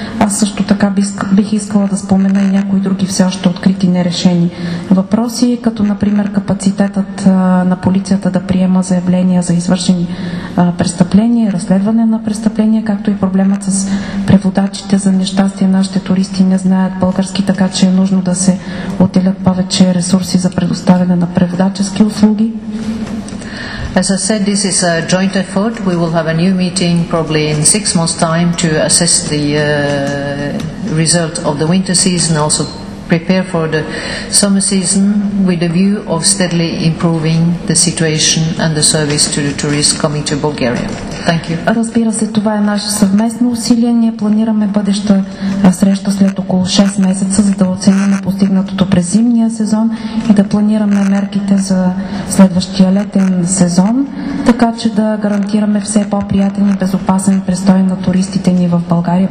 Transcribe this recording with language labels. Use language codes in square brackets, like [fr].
[bg] Аз също така бих искала да спомена и някои други все още открити нерешени въпроси, като например капацитетът на полицията да приема заявления за извършени престъпления, разследване на престъпления, както и проблемът с преводачите. За нещастие нашите туристи не знаят български, така че е нужно да се отделят повече ресурси за предоставяне на преводачески услуги. [en] As I said, this is a joint effort. We will have a new meeting probably in 6 months' time to assess the result of the winter season, also prepare for the summer season with a view of steadily improving the situation and the service to the tourists coming to Bulgaria. Thank you. [bg] Разбира се, това е наше съвместно усилие. Ние планираме бъдеща среща след около 6 месеца, за да оценим постигнатото през зимния сезон и да планираме мерките за следващия летен сезон, така че да гарантираме все по-приятен и безопасен престой на туристите ни в България.